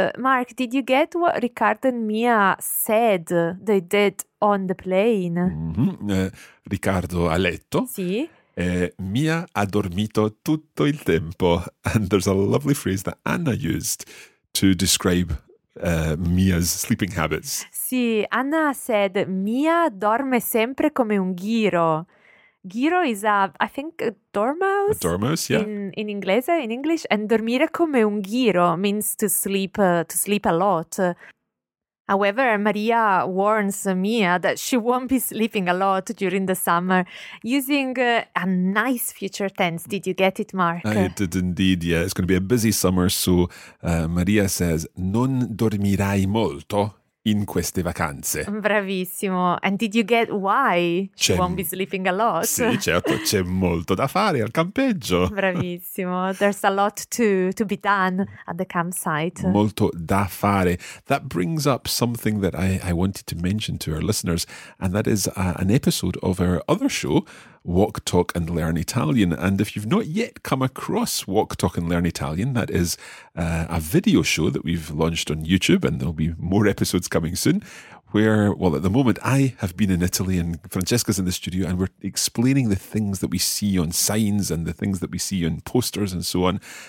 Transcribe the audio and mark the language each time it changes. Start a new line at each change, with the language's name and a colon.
English: Mark, did you get what Riccardo and Mia said they did on the plane?
Italian: Mm-hmm. Riccardo ha letto. Sì. Mia ha dormito tutto il tempo.
English: And there's a lovely phrase that Anna used to describe Mia's sleeping habits. Sì, Anna said
Italian: Mia dorme sempre come un ghiro.
English: Ghiro is a dormouse. A dormouse, yeah.
Italian: In inglese,
English: in English, and
Italian: dormire come un ghiro
English: means to sleep a lot. However, Maria warns Mia that she won't be sleeping a lot during the summer using a nice future tense. Did you get it, Mark? I did indeed, yeah. It's going to be a busy summer, so Maria says,
Italian: non dormirai molto in queste vacanze. Bravissimo.
English: And did you get why she won't be sleeping a lot?
Italian: Sì, certo, c'è molto da fare al campeggio. Bravissimo.
English: There's a lot to be done at the campsite.
Italian: Molto da fare.
English: That brings up something that I wanted to mention to our listeners, and that is an episode of our other show, Walk, Talk and Learn Italian. And if you've not yet come across Walk, Talk and Learn Italian, that is a video show that we've launched on YouTube, and there'll be more episodes coming soon, where, well, at the moment I have been in Italy and Francesca's in the studio, and we're explaining the things that we see on signs and the things that we see on posters and so on.